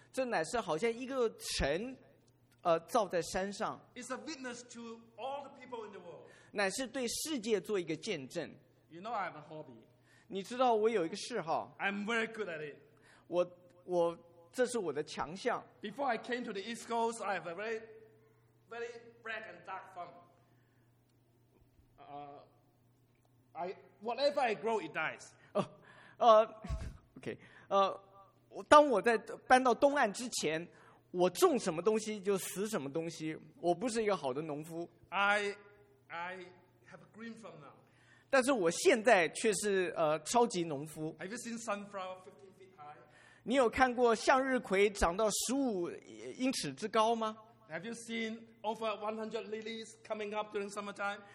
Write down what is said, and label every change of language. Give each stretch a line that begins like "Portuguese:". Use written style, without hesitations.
Chinese: 这乃是好像一个城，造在山上。
English: It's a witness to all the people in the world.
Chinese: 乃是对世界做一个见证。
English: You know I have a hobby.
Chinese: 你知道我有一个嗜好。
English: I'm very good at it.
Chinese: 我这是我的强项。
English: Before I came to the East Coast, I have a very, very black and dark farm. Whatever I grow, it dies. Okay.
Chinese: 当我在搬到东岸之前，我种什么东西就死什么东西。我不是一个好的农夫。
English: I have a green farm now.
Chinese: 但是我现在却是超级农夫。
English: Have you seen sunflower 15 feet high?
Chinese: 你有看过向日葵长到15英尺之高吗？
English: Have you seen over 100 lilies coming up during summertime?